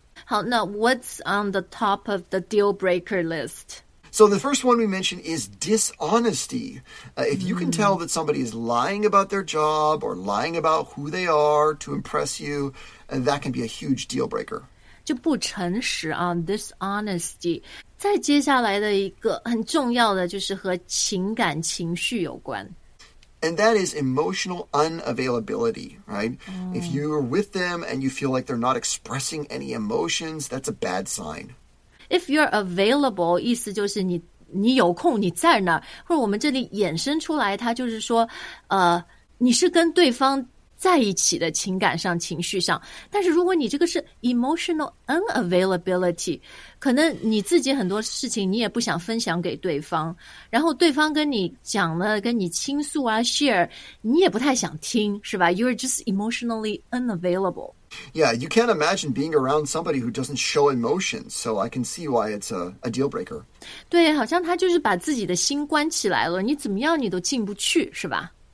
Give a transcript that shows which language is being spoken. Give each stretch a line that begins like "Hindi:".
Chinese: 好，那
English: what's on the top of the deal breaker list? So the first one we mentioned is dishonesty. If you can tell that somebody is lying about their job or lying about who they are to impress you, that can be a huge deal breaker.
Chinese: 就不诚实啊 dishonesty. 再接下来的一个很重要的就是和情感情绪有关。
English: And that is emotional unavailability, right? Mm. If you're with them and you feel like they're not expressing any emotions, that's a bad sign. If you're available,
Chinese: 意思就是你有空你在那儿，或者我们这里衍生出来，它就是说，你是跟对方在一起的情感上、情绪上。但是如果你这个是
English: emotional unavailability,
Chinese: 可能你自己很多事情你也不想分享给对方，然后对方跟你讲了、跟你倾诉啊 share, 你也不太想听，是吧？
English: You're just emotionally unavailable. Yeah, you can't imagine being around somebody who doesn't show emotions, so I can see why it's a deal breaker.
Chinese: 对，好像他就是把自己的心关起来了，你怎么样你都进不去，是吧？